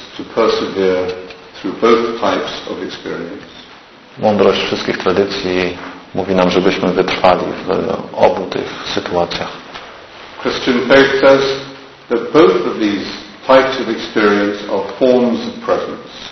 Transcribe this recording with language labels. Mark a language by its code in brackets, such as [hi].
[en] persevere through both types of experience. [pl] Mądrość wszystkich tradycji mówi nam, żebyśmy wytrwali w obu tych sytuacjach. [en] Christian faith says that both of these types of experience are forms of presence.